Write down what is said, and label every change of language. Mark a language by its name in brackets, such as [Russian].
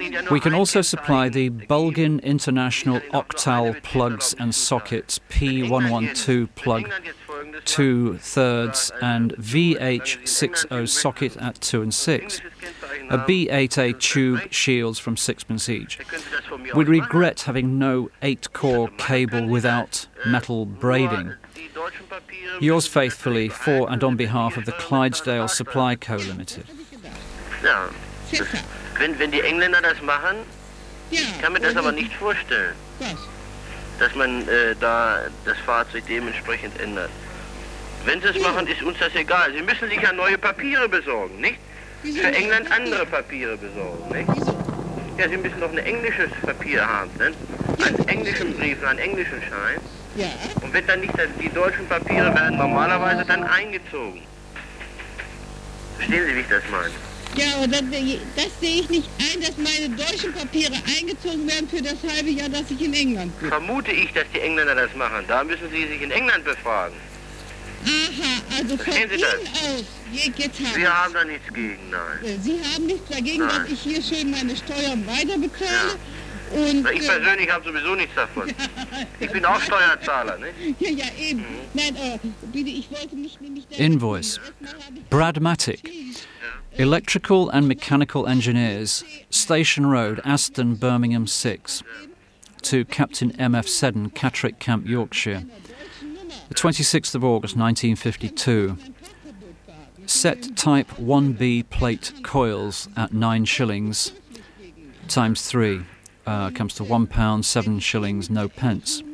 [English] We can also supply the Bulgin International Octal plugs and sockets, P112 plug 2/3 and VH60 socket at 2/6. A B8A tube shields from sixpence each. We regret having no 8-core cable without metal braiding. Yours faithfully, for and on behalf of the Clydesdale Supply Co. Limited. [German] Wenn die Engländer das machen, ich kann mir das aber nicht vorstellen, dass man da das Fahrzeug dementsprechend ändert. Wenn sie es machen, ist uns das egal. Sie müssen sich ja neue Papiere besorgen, nicht? Für England andere Papiere besorgen, nicht? Ja, sie müssen doch ein englisches Papier haben, ne? Einen englischen Brief, einen englischen Schein. Und wenn dann nicht, die deutschen Papiere werden normalerweise dann eingezogen. Verstehen Sie, wie ich das meine? Ja, aber das sehe ich nicht ein, dass meine deutschen Papiere eingezogen werden für das halbe Jahr, dass ich in England bin. Vermute ich, dass die Engländer das machen. Da müssen Sie sich in England befragen. Aha, also verstehen von Ihnen aus, jetzt haben Sie. Sie haben da nichts gegen, nein. Sie haben nichts dagegen, nein, dass ich hier schön meine Steuern weiterbekomme. Ja. Und ich persönlich habe sowieso nichts davon. Ich bin auch Steuerzahler, ne? Ja, eben. Mhm. Nein, bitte, ich wollte mich nämlich... [English] Invoice. Bradmatic. Electrical and Mechanical Engineers, Station Road, Aston, Birmingham 6, to Captain M.F. Seddon, Catterick Camp, Yorkshire, the 26th of August 1952. Set type 1B plate coils at 9 shillings times 3, comes to £1, 7 shillings, no pence.